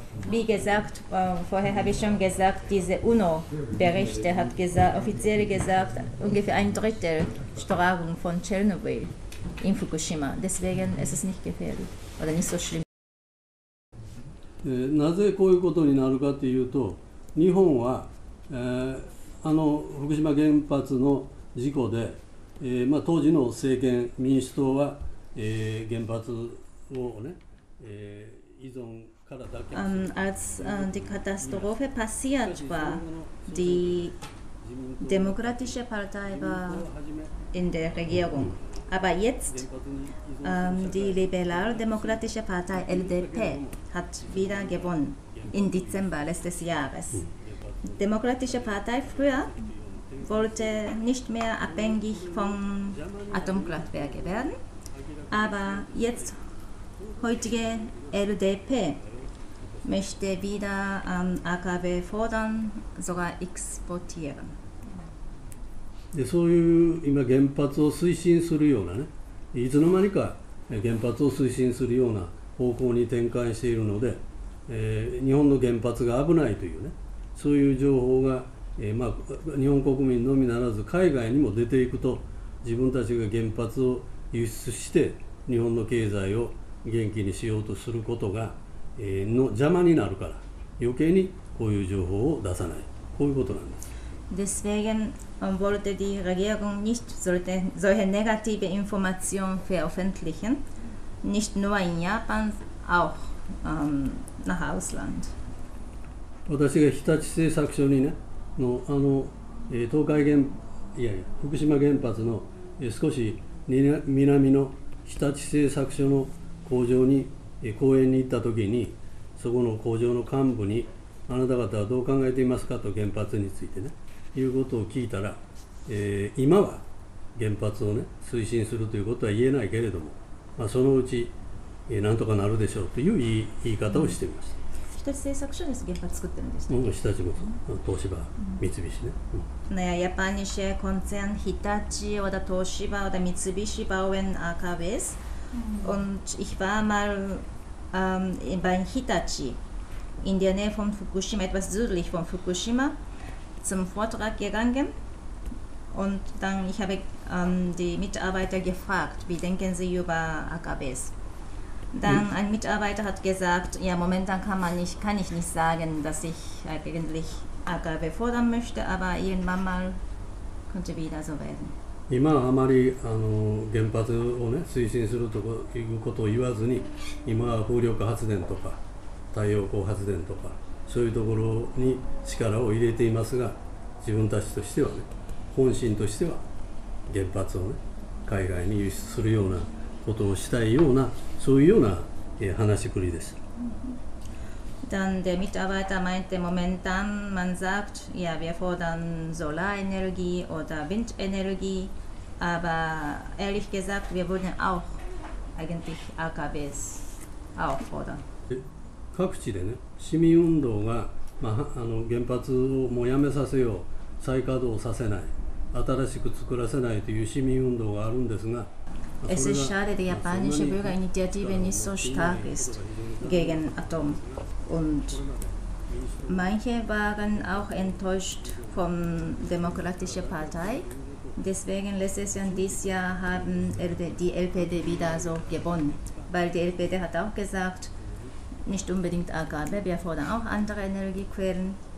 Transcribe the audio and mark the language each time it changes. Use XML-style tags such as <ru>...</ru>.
<de>Wie gesagt, vorher habe ich schon gesagt, diese UNO-Berichte hat offiziell gesagt, ungefähr ein Drittel Strahlung von Tschernobyl in Fukushima. Deswegen ist es nicht gefährlich oder nicht so schlimm.</de> <ja>なぜこういうことになるかというと、日本は、あの福島原発の事故で、まあ、当時の政権、民主党は、原発を、ね、依存からだけ。</ja> <de>Als die Katastrophe passiert war, die Demokratische Partei war in der Regierung. Aber jetzt, die liberal-demokratische Partei LDP hat wieder gewonnen im Dezember letztes Jahres. Die demokratische Partei früher wollte nicht mehr abhängig von Atomkraftwerken werden, aber jetzt, heutige LDP möchte wieder AKW fordern, sogar exportieren.</de> <ja>でそういう今原発を推進するようなね、いつの間にか原発を推進するような方向に展開しているので、日本の原発が危ないというね、そういう情報が、まあ、日本国民のみならず海外にも出ていくと、自分たちが原発を輸出して日本の経済を元気にしようとすることが、の邪魔になるから、余計にこういう情報を出さない、こういうことなんです。</ja> <de>Deswegen wollte die Regierung nicht solche negative Informationen veröffentlichen, nicht nur in Japan, auch nach Ausland.</de> <ja>私が日立製作所にね、のあの東海原いやいや福島原発の少し南の日立製作所の工場に講演に行った時に、そこの工場の幹部にあなた方はどう考えていますかと原発についてね。いうことを聞いたら、今は原発を、ね、推進するということは言えないけれども、まあ、そのうち、なんとかなるでしょうという言い方をしてみました。日立製作所です。原発作ってるんですね。日立も、東芝、三菱ね。うん、</ja> <de>なや、ヤパニシェコンセン、日立、おだ東芝、おだ三菱、バウエン、アカウェス。うん、Und ich war mal, bei Hitachi, in der Nähe von Fukushima, etwas südlich von Fukushima. Zum Vortrag gegangen und dann ich habe die Mitarbeiter gefragt, wie denken sie über AKWs. Dann ein Mitarbeiter hat gesagt, ja momentan kann ich nicht sagen, dass ich eigentlich AKW fordern möchte, aber irgendwann mal könnte wieder so werden.</de> <ja>今はあまり原発を、ね、推進するということを言わずに、今は風力発電とか太陽光発電とか。そういうところに力を入れていますが、自分たちとしては、ね、本心としては原発を、ね、海外に輸出するようなことをしたいような、そういうような、話しぶりです。</ja> <de>Dann der Mitarbeiter meinte momentan, man sagt, ja, wir fordern Solarenergie oder Windenergie, aber ehrlich gesagt, wir würden auch eigentlich AKWs auch fordern.</de> <ja>各地でね、市民運動が、まあ、原発をもうやめさせよう、再稼働させない、新しく作らせないという市民運動があるんですが、まあ、それが、まあ、そんなに、</ja> <de>japanische Bürgerinitiative nicht so stark ist gegen Atom. Und manche waren auch enttäuscht von demokratischer Partei. Deswegen letztes Jahr, dieses Jahr haben die LPD wieder so gewonnen, weil die LPD hat auch gesagt,Nicht unbedingt AKW, wir fordern auch andere Energiequellen.</de>